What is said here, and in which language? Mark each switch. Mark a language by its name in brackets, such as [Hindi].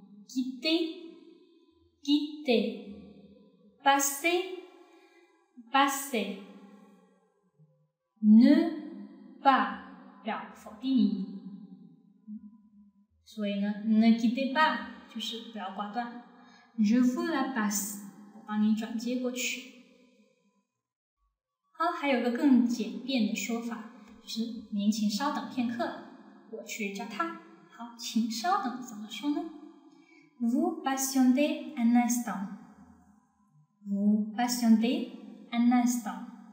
[French] Quittez， Quittez， passer， passé. [Chinese] Ne pas 表否定音，所以呢 ，ne quitte pas 就是不要挂断。 [French] Je vous la passe， [Chinese] 我帮你转接过去。好，还有个更简便的说法，就是您请稍等片刻，我去叫他。好，请稍等怎么说呢 ？ [French] Vous patientez un instant。 Vous patientez un instant。